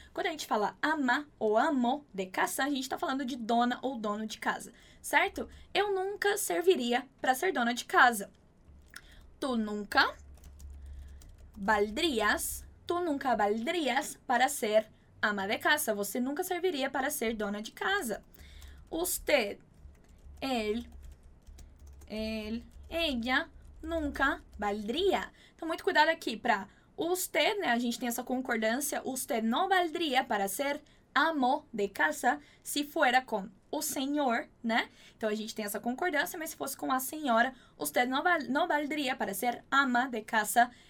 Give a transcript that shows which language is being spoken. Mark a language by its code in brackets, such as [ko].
[pt] Quando a gente fala ama ou amo de casa, a gente está falando de dona ou dono de casa, certo? Eu nunca serviria para ser dona de casa. [es] Tu nunca valdrias, tu nunca valdrias [pt] para ser ama de casa. Você nunca serviria para ser dona de casa. [es] Usted, ella nunca valdria. [pt] Então, muito cuidado aqui para usted, né? A gente tem essa concordância. Usted não valdria para ser amo de casa [es] se fuera [pt] com o senhor, né? Então, a gente tem essa concordância, mas se fosse com a senhora, usted não valdria para ser ama de casa.